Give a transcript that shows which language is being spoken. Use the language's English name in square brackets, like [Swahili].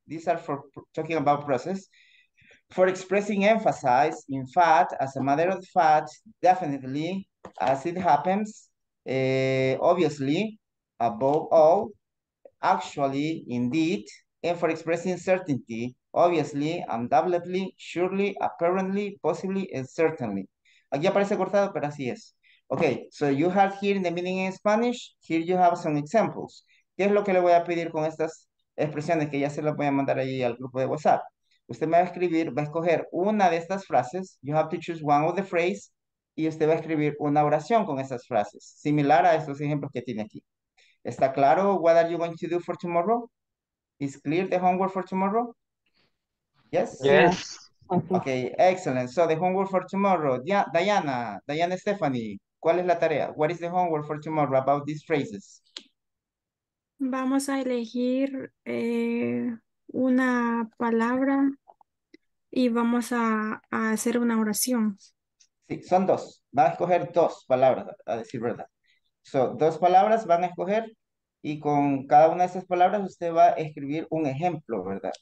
[English] These are for talking about process. For expressing emphasis, in fact, as a matter of fact, definitely, as it happens, obviously, above all, actually, indeed, and for expressing certainty, obviously, undoubtedly, surely, apparently, possibly, and certainly. [Spanish] Aquí aparece cortado, pero así es. [English] Okay, so you have here in the meaning in Spanish, here you have some examples. [Spanish] ¿Qué es lo que le voy a pedir con estas expresiones que ya se las voy a mandar ahí al grupo de WhatsApp? Usted me va a escribir, va a escoger una de estas frases, [English] you have to choose one of the phrase, [Spanish] y usted va a escribir una oración con esas frases, similar a estos ejemplos que tiene aquí. ¿Está claro? [English] What are you going to do for tomorrow? Is clear the homework for tomorrow? Yes? Yes. Okay, excellent. So the homework for tomorrow, Diana Stephanie, [Spanish] ¿cuál es la tarea? [English] What is the homework for tomorrow about these phrases? [Spanish] Vamos a elegir una palabra y vamos a hacer una oración. Sí, son dos. Van a escoger dos palabras, a decir verdad. So, dos palabras van a escoger y con cada una de esas palabras usted va a escribir un ejemplo, ¿verdad?